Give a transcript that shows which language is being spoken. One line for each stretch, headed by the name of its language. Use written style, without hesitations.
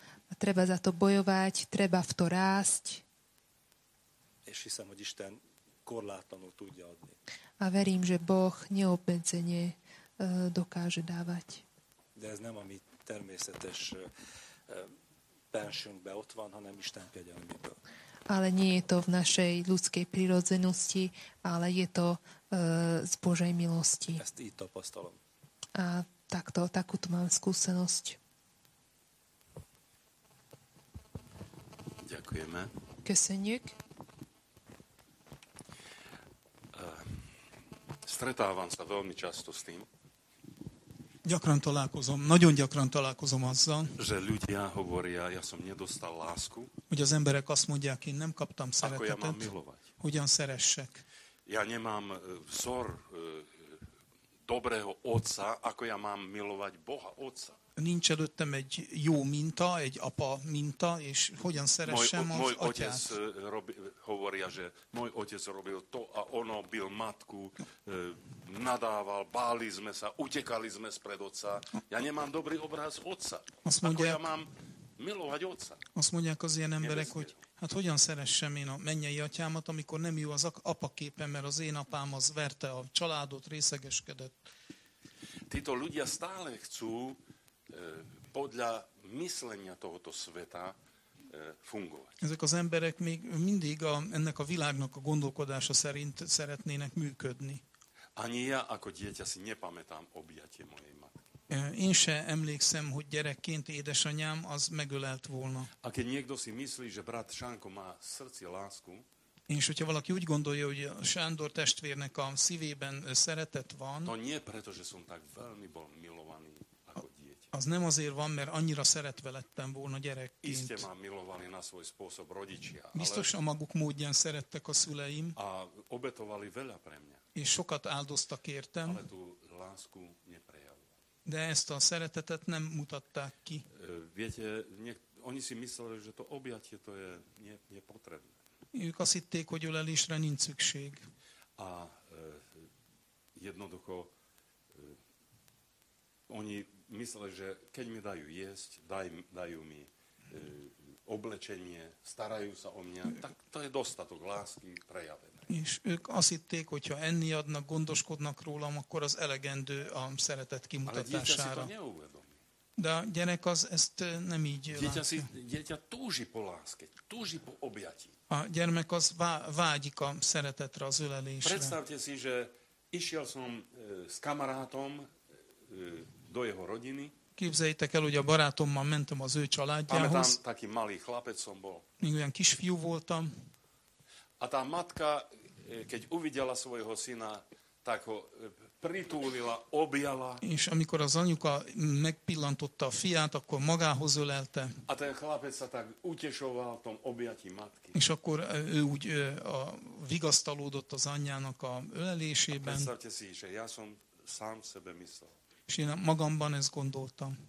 Slovak: A treba za to bojovať, treba v to rásť.
Hungarian: És hiszem, hogy Isten korlátlanul tudja adni.
Slovak: A verím, že Boh neobmedzenie dokáže dávať.
Hungarian: De ez nem a mi természetes bensünkbe ott van, hanem Isten kegyelméből.
Slovak: Ale nie je to v našej ľudskej prirodzenosti, ale je to z Božej milosti.
Hungarian: Ezt így tapasztalom.
Slovak: A takto, takúto mám skúsenosť. Ďakujeme.
Hungarian: Köszönjük.
Slovak: Stretávam sa veľmi často s tým,
Hungarian: gyakran találkozom, nagyon gyakran találkozom azzal,
Slovak: že ľudia hovoria, ja som nedostal lásku,
Hungarian: hogy az emberek azt mondják, én nem kaptam szeretetet,
Slovak: ako ja mám milovať,
Hungarian: hogyan szeressek.
Slovak: Ja nemám vzor dobrého otca, ako ja mám milovať Boha otca.
Hungarian: Nincs előttem egy jó minta, egy apa minta, és hogyan szeressem
Slovak: môj,
Hungarian: az atyát.
Slovak: Otec hovoria, že môj otec robil to a ono, bil matku, nadával, báli sme sa, utekali sme spred otca. Ja nemám dobrý obraz otca.
Hungarian: Azt mondják,
Slovak: ako ja mám milovať otca.
Hungarian: Azt mondják az ilyen emberek, nevezmér. Hogy hát hogyan szeressem én a mennyei atyámat, amikor nem jó az apa képe, mert az én apám az verte a családot, részegeskedett.
Slovak: Títo ľudia stále chcú podľa myslenia tohoto sveta fungovať.
Hungarian: Ezek az emberek még mindig ennek a világnak a gondolkodása szerint szeretnének működni.
Slovak: Ani ja ako dieťa si nepamätám objatie mojej matky.
Hungarian: Én se emlékszem, hogy gyerekként édesanyám az megölelt volna.
Slovak: A keď niekto si myslí, že brat Sánko má srdci lásku,
Hungarian: és hogyha valaki úgy gondolja, hogy Sándor testvérnek a szívében szeretet van,
Slovak: to nie preto, že som tak veľmi bol milovaný.
Hungarian: Az nem azért van, mert annyira szeretve lettem volna gyerekként.
Slovak: Iste mám milovali na svoj spôsob rodičia.
Hungarian: Biztos a maguk módján szerettek a szüleim.
Slovak: A obetovali veľa pre mňa.
Hungarian: És sokat áldoztak értem.
Slovak: Ale tú lásku neprejavili.
Hungarian: De ezt a szeretetet nem mutatták ki.
Slovak: Viete, oni si mysleli, že to objatie to je nepotrebné.
Hungarian: Ők azt hitték, hogy ölelésre nincs szükség.
Slovak: A jednoducho oni mysleli, že keď mi dajú jesť, dajú mi oblečenie, starajú sa o mňa, tak to je dostatok lásky prejavené.
Hungarian: És ők azt hitték, hogyha enni adnak, gondoskodnak rólam, akkor az elegendő a szeretet kimutatására.
Slovak: Ale dieťa si to neuvedomí.
Hungarian: De gyerek az ezt nem így látja.
Slovak: Dieťa túži po láske, túži po objatí.
Hungarian: A gyermek az vágyik a szeretetre, az ölelésre.
Slovak: Predstavte si, že išiel som s kamarátom do jeho rodiny.
Hungarian: Képzeljétek el, hogy a barátommal mentem az ő családjához.
Slovak: Pamätám, taký malý chlapec som bol.
Hungarian: Még olyan kisfiú voltam.
Slovak: A tá matka, keď uvidela svojho syna, tak ho pritúlila, objala.
Hungarian: És amikor az anyuka megpillantotta a fiát, akkor magához ölelte.
Slovak: A ten chlapec sa tak utešoval tom objatí matky.
Hungarian: És akkor ő úgy vigasztalódott az anyjának a ölelésében.
Slovak: A predstavte si, že ja som sám sebe myslel.
Hungarian: És én magamban ezt gondoltam.